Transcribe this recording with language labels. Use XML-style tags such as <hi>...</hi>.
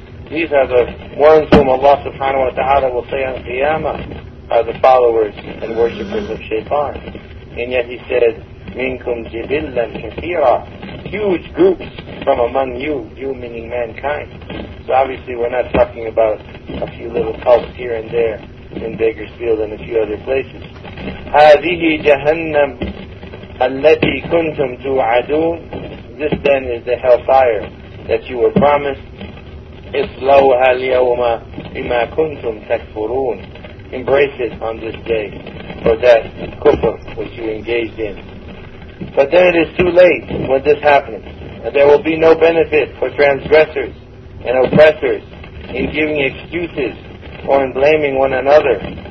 <en>These are the ones whom Allah subhanahu wa ta'ala will say on Qiyamah are the followers and worshippers of Shaitan. And yet he said, minkum jibillan kathira, huge groups from among you, you meaning mankind. So obviously we're not talking about a few little cults here and there in Bakersfield and a few other places.</en> <ar>هذه جهنم التي كنتم توعدون.</ar> <en>This then is the hellfire that you were promised.</en> <ar>اصلوها اليوم بما كنتم تكفرون.</ar> <en>Embrace it on this day for that kufr which you engaged in. But then it is too late when this happens. There will be no benefit for transgressors and oppressors in giving excuses or in blaming one another.</en>